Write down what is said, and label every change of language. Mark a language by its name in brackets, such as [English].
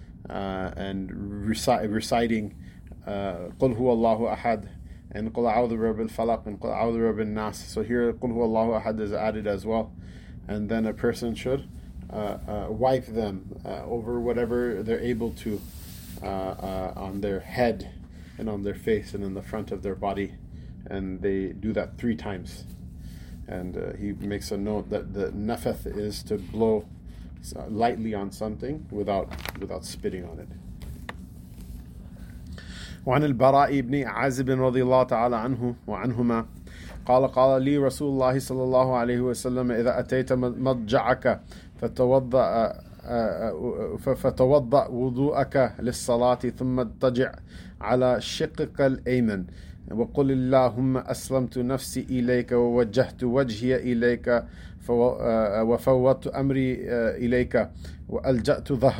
[English] And reciting [Arabic] قُلْ هُوَ اللَّهُ أَحَد and قُلْ أَعُوذُ بِرَبِّ الْفَلَقِ and قُلْ أَعُوذُ بِرَبِّ النَّاسِ. [English] So here [Arabic] قُلْ هُوَ اللَّهُ أَحَد [English] is added as well, and then a person should wipe them over whatever they're able to on their head and on their face and in the front of their body, and they do that three times. And he makes a note that the nafath is to blow lightly on something without spitting on it. [Arabic] وعن البراء بن عازب رضي الله تعالى عنه وعنهما قال قال لي رسول الله صلى الله عليه وسلم إذا أتيت مضجعك فتوضأ فتوضأ وضوءك للصلاة ثم اضطجع على الشقق الأيمن وقل اللهم أسلمت نفسي إليك ووجهت وجهي إليك وفوضت أمري إليك وألجأت